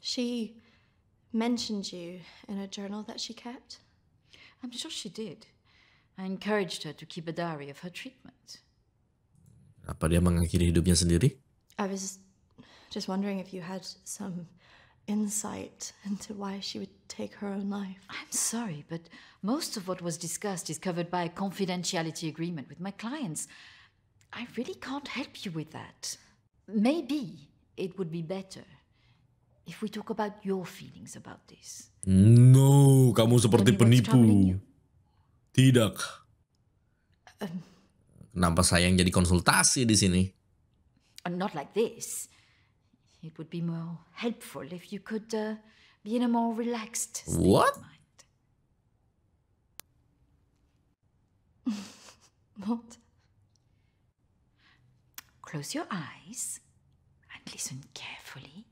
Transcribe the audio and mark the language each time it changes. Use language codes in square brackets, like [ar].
[en] She mentioned you in a journal that she kept. I'm sure she did. I encouraged her to keep a diary of her treatment. [id] Apa dia mengakhiri hidupnya sendiri? [en] I was just wondering if you had some insight into why she would take her own life. I'm sorry, but most of what was discussed is covered by a confidentiality agreement with my clients. I really can't help you with that. Maybe it would be better if we talk about your feelings about this. [id] No, kamu seperti penipu. Tidak. Kenapa saya yang jadi konsultasi di sini? [en] Not like this. It would be more helpful if you could be in a more relaxed state. What? Of mind. What? Close your eyes and listen carefully.